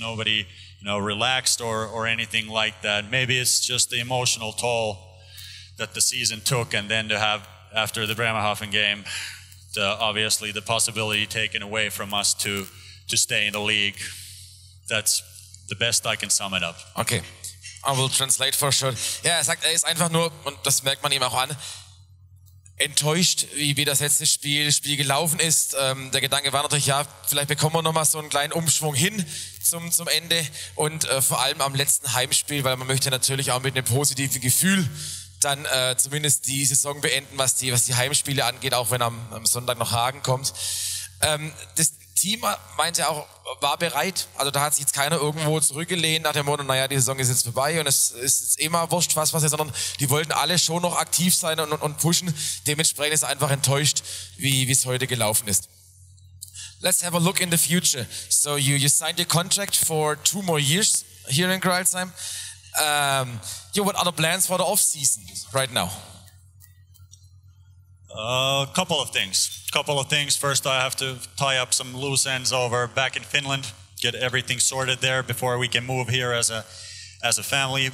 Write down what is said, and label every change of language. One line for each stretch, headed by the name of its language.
English: Nobody, you know, relaxed or anything like that. Maybe it's just the emotional toll that the season took, and then to have, after the Bremerhaven game, obviously the possibility taken away from us to stay in the league. That's the best I can sum it up. Okay, I will translate for sure.
German: Yeah, er sagt, er ist einfach nur, und das merkt man ihm auch an, enttäuscht, wie das letzte Spiel gelaufen ist. Der Gedanke war natürlich, ja, vielleicht bekommen wir nochmal so einen kleinen Umschwung hin zum Ende und vor allem am letzten Heimspiel, weil man möchte natürlich auch mit einem positiven Gefühl dann zumindest die Saison beenden, was die Heimspiele angeht, auch wenn am Sonntag noch Hagen kommt. Das Team meinte auch, war bereit, also da hat sich jetzt keiner irgendwo zurückgelehnt nach dem Motto, naja, die Saison ist jetzt vorbei und es ist jetzt immer wurscht, was ist, sondern die wollten alle schon noch aktiv sein und pushen. Dementsprechend ist einfach enttäuscht, wie es heute gelaufen ist.
English: Let's have a look in the future. So you signed your contract for 2 more years here in Gralsheim. What are the plans for the off-season right now? A couple of things. First, I have to tie up some loose ends over back in Finland, get everything sorted there before we can move here as a family.